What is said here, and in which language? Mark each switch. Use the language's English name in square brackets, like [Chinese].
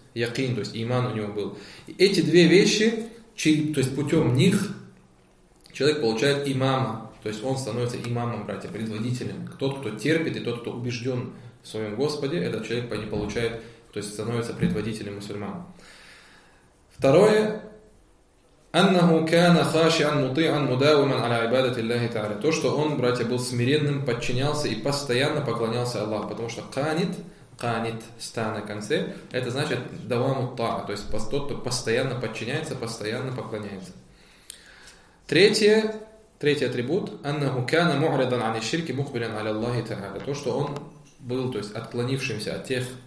[Russian] Якин, то есть иман у него был. И эти две вещи, то есть путем них, человек получает имама. То есть он становится имамом, братья, предводителем. Тот, кто терпит, и тот, кто убежден в своем Господе, этот человек не получает, то есть становится предводителем мусульман. Второе. [Arabic] أنه كان خاشعا مطيعا مداوما على عبادة الله تعالى. [Russian] То, что он, братья, был смиренным, подчинялся и постоянно поклонялся Аллаху, потому что канит, канит, ста на конце, это значит даваму та, то есть тот, кто постоянно подчиняется, постоянно поклоняется. Третий атрибут, [Arabic] أنه كان معرضا عن الشرك مقبلا على الله تعالى. [Russian] То, что он был, то есть отклонившимся от тех,